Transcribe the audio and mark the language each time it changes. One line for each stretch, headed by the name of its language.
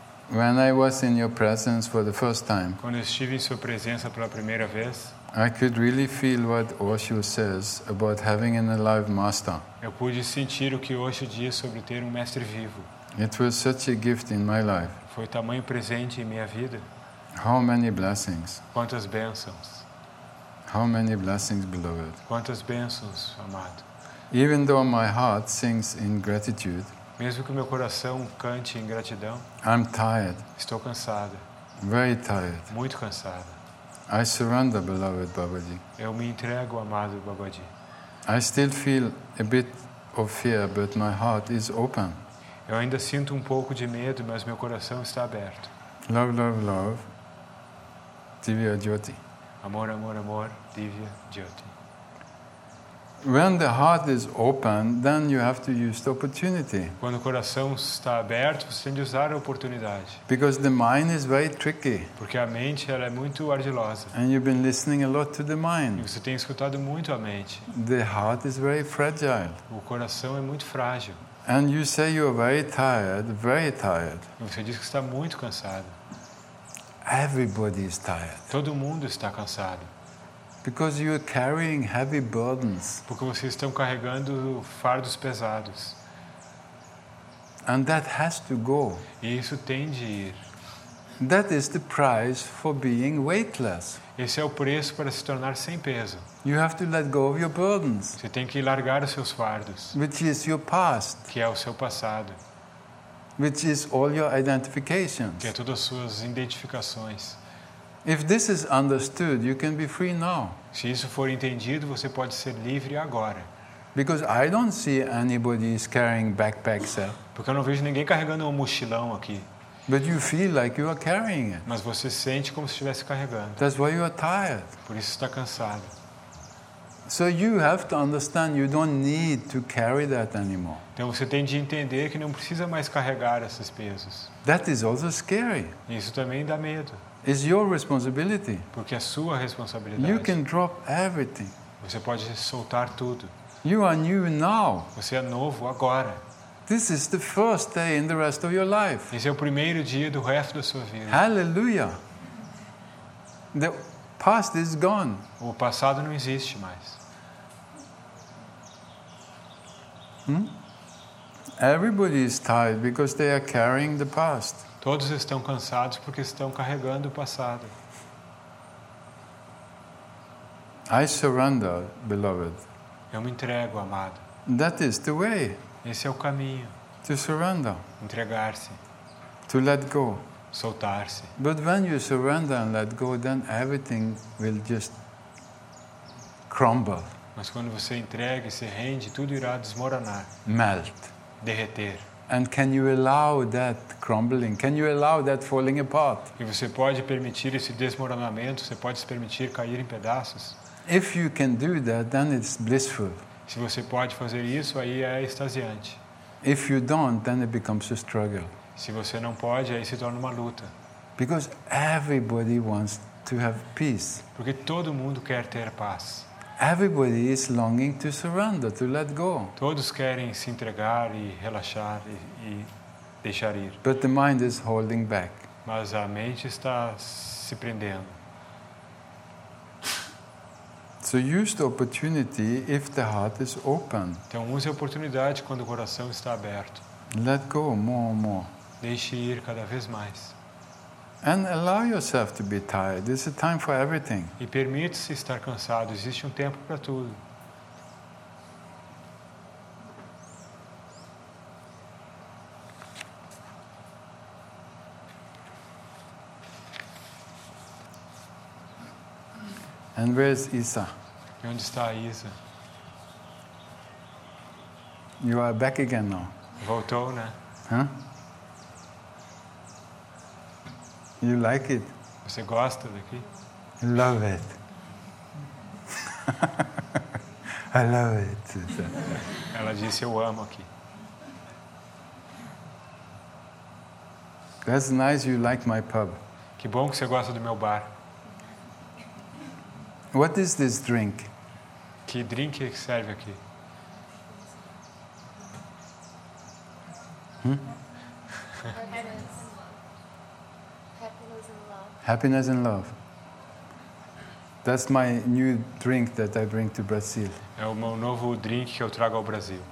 English: When I was in your presence for the first time,
Portuguese: quando eu estive em sua presença pela primeira vez,
English: I could really feel what Osho says about having an alive master.
Portuguese: Eu pude sentir o que Osho diz sobre ter mestre vivo.
English: It was such a gift in my life.
Portuguese: Foi tamanho presente em minha vida.
English: How many blessings?
Portuguese: Quantas bênçãos?
English: How many blessings, beloved?
Portuguese: Quantas bênçãos, amado?
English: Even though my heart sings in gratitude.
Portuguese: Mesmo que meu coração cante em gratidão.
English: I'm tired.
Portuguese: Estou cansado.
English: Very tired.
Portuguese: Muito cansado.
English: I surrender, beloved Babaji.
Portuguese: Eu me entrego, amado Babaji.
English: I still feel a bit of fear, but my heart is open.
Portuguese: Eu ainda sinto um pouco de medo, mas meu coração está aberto.
English: Love, love, love. Divya Jyoti.
Portuguese: Amor, amor, amor. Divya Jyoti.
English: When the heart is open, then you have to use the opportunity.
Portuguese: Quando o coração está aberto, você tem de usar a oportunidade.
English: Because the mind is very tricky.
Portuguese: Porque a mente ela é muito ardilosa.
English: And you've been listening a lot to the mind.
Portuguese: E você tem escutado muito a mente.
English: The heart is very fragile.
Portuguese: O coração é muito frágil.
English: And you say you are very tired, very tired.
Portuguese: E você diz que está muito cansado.
English: Everybody is tired.
Portuguese: Todo mundo está cansado.
English: Because you are carrying heavy burdens.
Portuguese: Porque vocês estão carregando fardos pesados.
English: And that has to go.
Portuguese: E isso tem de ir.
English: That is the price for being weightless.
Portuguese: Esse é o preço para se tornar sem peso.
English: You have to let go of your burdens.
Portuguese: Você tem que largar os seus fardos.
English: Which is your past.
Portuguese: Que é o seu passado.
English: Which is all your identifications.
Portuguese: Que é todas as suas identificações.
English: If this is understood, you can be free now.
Portuguese: Se isso for entendido, você pode ser livre agora.
English: Because I don't see anybody is carrying backpacks.
Portuguese: Porque eu não vejo ninguém carregando um mochilão aqui.
English: But you feel like you are carrying it.
Portuguese: Mas você sente como se estivesse carregando.
English: That's why you are tired.
Portuguese: Por isso está cansado.
English: So you have to understand you don't need to carry that anymore.
Portuguese: Então você tem de entender que não precisa mais carregar essas pesas.
English: That is also scary.
Portuguese: Isso também dá medo.
English: It's your responsibility.
Portuguese: Porque é sua responsabilidade.
English: You can drop everything.
Portuguese: Você pode soltar tudo.
English: You are new now.
Portuguese: Você é novo agora.
English: This is the first day in the rest of your life.
Portuguese: Esse é o primeiro dia do resto da sua vida.
English: Hallelujah. The past is gone.
Portuguese: O passado não existe mais.
English: Everybody is tired because they are carrying the past.
Portuguese: Todos estão cansados porque estão carregando o passado.
English: I surrender, beloved.
Portuguese: Eu me entrego, amado.
English: That is the way.
Portuguese: Esse é o caminho.
English: To surrender.
Portuguese: Entregar-se.
English: To let go.
Portuguese: Soltar-se.
English: But when you surrender and let go, then everything will just crumble.
Portuguese: Mas quando você entrega e se rende, tudo irá desmoronar.
English: Melt.
Portuguese: Derreter.
English: And can you allow that crumbling? Can you allow that falling apart?
Portuguese: E você pode permitir esse desmoronamento? Você pode se permitir cair em pedaços?
English: If you can do that, then it's blissful.
Portuguese: Se você pode fazer isso, aí é extasiante.
English: If you don't, then it becomes a struggle.
Portuguese: Se você não pode, aí se torna uma luta.
English: Because everybody wants to have peace.
Portuguese: Porque todo mundo quer ter paz.
English: Everybody is longing to surrender, to let go.
Portuguese: Todos querem se entregar e relaxar e deixar ir.
English: But the mind is holding back.
Portuguese: Mas a mente está se prendendo.
English: So use the opportunity if the heart is open.
Portuguese: Então use a oportunidade quando o coração está aberto.
English: Let go more and more.
Portuguese: Deixe ir cada vez mais.
English: And allow yourself to be tired. It's a time for everything.
Portuguese: E permita-se estar cansado. Existe um tempo para tudo.
English: And where's Isa?
Portuguese: E onde está a Isa?
English: You are back again now.
Portuguese: Voltou, né?
English: You like it?
Portuguese: Você gosta daqui?
English: I love it. I love it.
Portuguese: Ela disse eu amo aqui.
English: That's nice you like my pub.
Portuguese: Que bom que você gosta do meu bar.
English: What is this drink?
Portuguese: Que drink que serve aqui?
English: Happiness and love. That's my new drink that I bring to Brazil.
Portuguese: É o meu novo drink que eu trago ao Brasil.